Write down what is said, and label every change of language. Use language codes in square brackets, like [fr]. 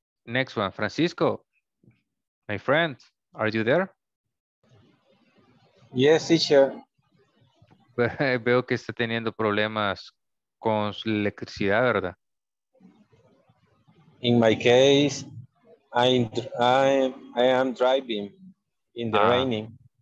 [en] Next one, Francisco, my friend, are you there? Yes, teacher. [es] Veo que está teniendo problemas con electricidad, ¿verdad? [en] In my case, I am driving in the raining.